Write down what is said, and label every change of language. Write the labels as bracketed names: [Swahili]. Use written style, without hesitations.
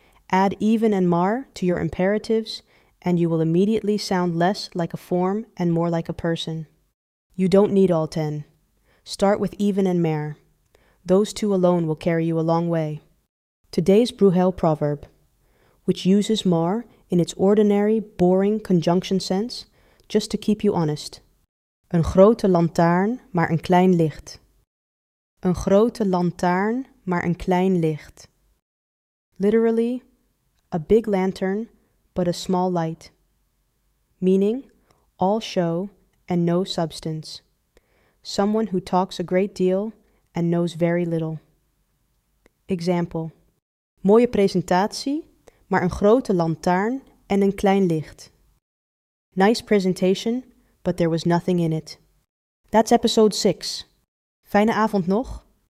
[English] Add even and mar to your imperatives, and you will immediately sound less like a form and more like a person. You don't need all 10. Start with even and mer. Those two alone will carry you a long way. Today's Bruegel proverb, which uses mar in its ordinary, boring conjunction sense, just to keep you honest. [Dutch] Een grote lantaarn, maar een klein licht. Een grote lantaarn, maar een klein licht. [English] Literally, a big lantern, but a small light. Meaning, all show and no substance. Someone who talks a great deal and knows very little. Example. [Dutch] Mooie presentatie, maar een grote lantaarn en een klein licht. [English] Nice presentation, but there was nothing in it. That's episode 6. [Dutch] Fijne avond nog.